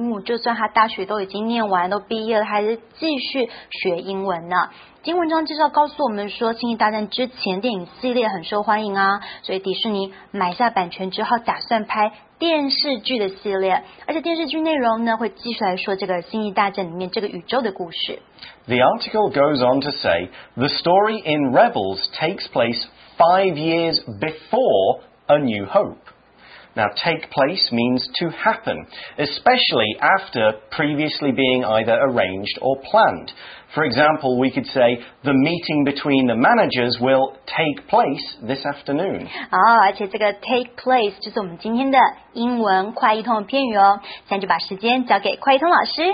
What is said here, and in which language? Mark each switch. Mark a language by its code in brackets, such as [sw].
[zh] 就算她大学都已经念完，都毕业了，还是继续学英文呢。经文中介绍告诉我们说，《星际大战》之前电影系列很受欢迎啊，所以迪士尼买下版权之后，打算拍电视剧的系列，而且电视剧内容呢，会继续来说这个《星际大战》里面这个宇宙的故事。 [en] The article goes on to say, the story in Rebels takes place 5 years before A New Hope. Now, take place means to happen, especially after previously being either arranged or planned. For example, we could say, the meeting between the managers will take place this afternoon. [zh] 哦，而且这个 take place 就是我们今天的英文快译通的片语哦。现在就把时间交给快译通老师。